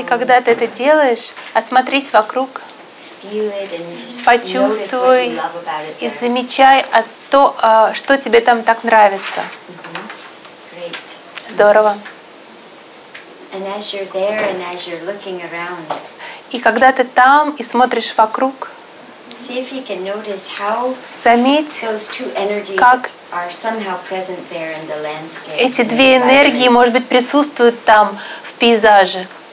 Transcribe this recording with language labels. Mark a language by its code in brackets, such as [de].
[ru] И когда ты это делаешь, осмотрись вокруг. [en] Feel it and just [ru] почувствуй [en] notice what you love about it [ru] и замечай что, что тебе там так нравится. Здорово. [en] And as you're there and as you're looking around, [ru] и когда ты там и смотришь вокруг, [en] see if you can notice how those two energies are somehow present there in the landscape. [ru] Эти две энергии, может быть, присутствуют там в пейзаже.